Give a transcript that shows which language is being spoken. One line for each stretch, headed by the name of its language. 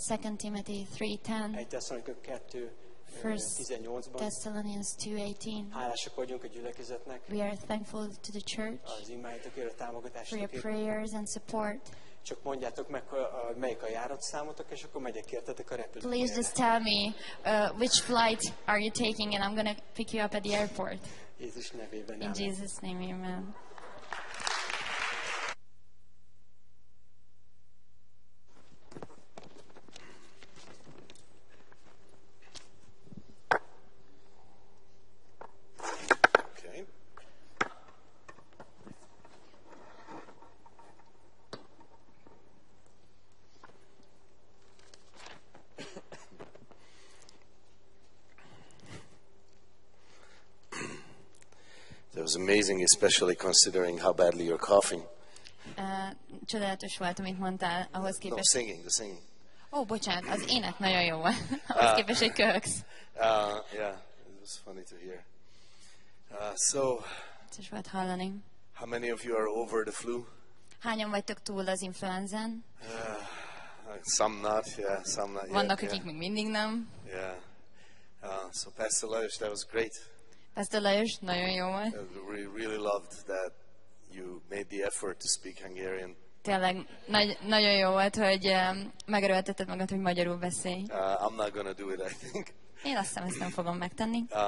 English: 2 Timothy 3:10.
Hungarian: 1 Thessalonians 2:18-ban.
English: Thessalonians 2:18.
Hungarian: Hálásak vagyunk a gyülekezetnek.
English: We are thankful to the church.
Hungarian: Az imáitokért, a támogatásokért.
English: For your prayers and support.
Hungarian: Csak mondjátok meg, melyik a járatszámotok, és akkor megyek értetek a repülőtérre.
English: Please just tell me which flight are you taking, and I'm gonna pick you up at the airport.
Hungarian: Jézus nevében.
English: In Jesus name, amen. It was amazing, especially considering how badly you're coughing.
Hungarian: Csodálatos volt, amit mondtál, ahhoz képest.
English: No, singing.
Hungarian: Oh, bocsánat, az ének nagyon jó volt, ahhoz képest, hogy köhögsz.
English: Yeah, it was funny to hear. So,
Hungarian: csodálatos volt hallani.
English: How many of you are over the flu?
Hungarian: Hányan vagytok túl az influenzán?
English: Some not, yeah, some not yet.
Hungarian: Vannak, akik még mindig nem.
English: Yeah. So Pastor Lajos, that was great.
Hungarian: Pastor Lajos, nagyon jó volt.
English: We really loved that you made the effort to speak Hungarian.
Hungarian: Tényleg nagyon jó volt, hogy megerőltetted magad, hogy magyarul beszélj.
English: I'm not gonna do it, I think.
Hungarian: Én azt hiszem, ezt nem fogom megtenni.